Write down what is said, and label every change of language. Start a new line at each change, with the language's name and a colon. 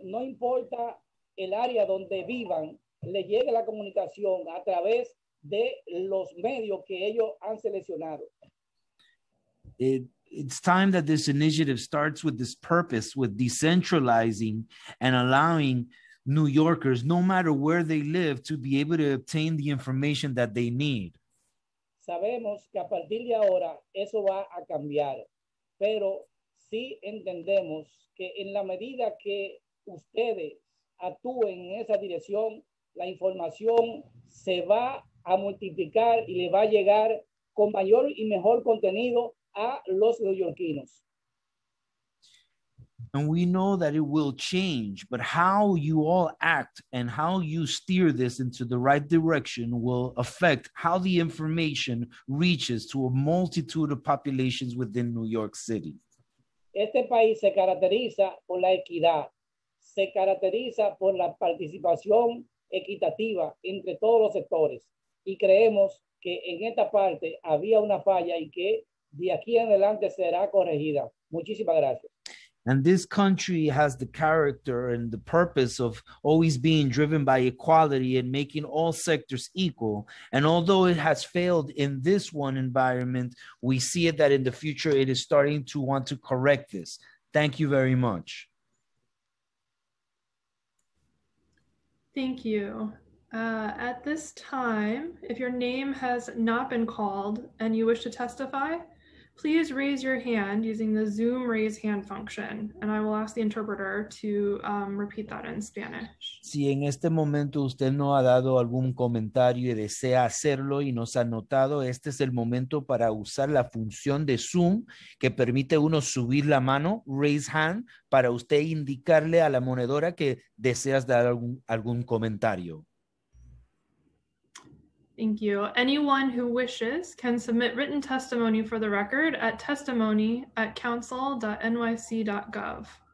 Spanish: No importa el área donde vivan, le llegue la comunicación a través de los medios que ellos han seleccionado.
English: It's time that this initiative starts with this purpose, with decentralizing and allowing New Yorkers, no matter where they live, to be able to obtain the information that they need.
Spanish: Sabemos que a partir de ahora eso va a cambiar, pero sí entendemos que en la medida que ustedes actúen en esa dirección, la información se va a multiplicar y le va a llegar con mayor y mejor contenido a los neoyorquinos.
English: And we know that it will change, but how you all act and how you steer this into the right direction will affect how the information reaches to a multitude of populations within New York City.
Spanish: Este país se caracteriza por la equidad, se caracteriza por la participación equitativa entre todos los sectores, y creemos que en esta parte había una falla y que de aquí en adelante será corregida. Muchísimas gracias.
English: And this country has the character and the purpose of always being driven by equality and making all sectors equal. And although it has failed in this one environment, we see it that in the future it is starting to want to correct this. Thank you very much. Thank you. At this time, if your name has not been called and you wish to testify, please raise your hand using the Zoom raise hand function, and I will ask the interpreter to repeat that in Spanish.
Spanish: Si en este momento usted no ha dado algún comentario y desea hacerlo y no se ha notado, este es el momento para usar la función de Zoom que permite uno subir la mano,
English: raise hand,
Spanish: para usted indicarle a la monedora que deseas dar algún comentario.
English: Thank you. Anyone who wishes can submit written testimony for the record at testimony@council.nyc.gov.